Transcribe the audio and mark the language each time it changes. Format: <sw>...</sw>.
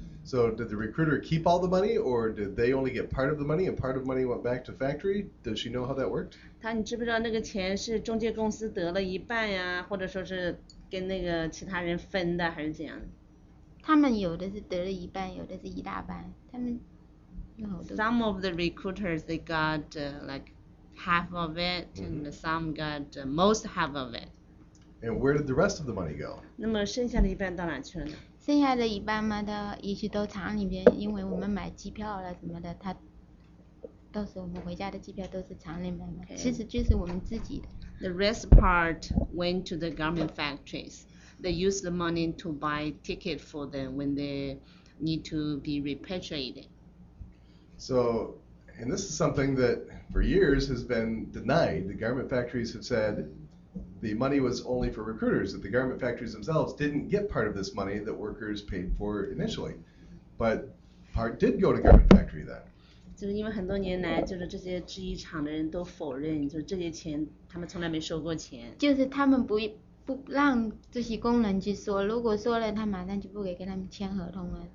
<en>So did the recruiter keep all the money, or did they only get part of the money, and part of the money went back to factory? Does she know how that worked?</en> <zh>她你知不知道那个钱是中介公司得了一半呀，或者说是跟那个其他人分的，还是怎样？他们有的是得了一半，有的是一大半。他们有好多。</zh> <en>Some of the recruiters they got like half of it, and some got most half of it. And where did the rest of the money go?</en> <zh>那么剩下的一半到哪去了呢？剩下的一半嘛，他也许都厂里边，因为我们买机票了什么的，他到时候我们回家的机票都是厂里买的，</zh> <en>okay.</en> <zh>其实就是我们自己的。</zh> <en>The rest part went to the garment factories. They used the money to buy ticket for them when they need to be repatriated. So, and this is something that for years has been denied. The garment factories have said. The money was only for recruiters, that the garment factories themselves didn't get part of this money that workers paid for initially. But part did go to garment factory then.</en> <zh>就是因为很多年来，就是这些制衣厂的人都否认，就是这些钱他们从来没收过钱。就是他们不让这些工人去说，如果说了，他马上就不给他们签合同了。</zh>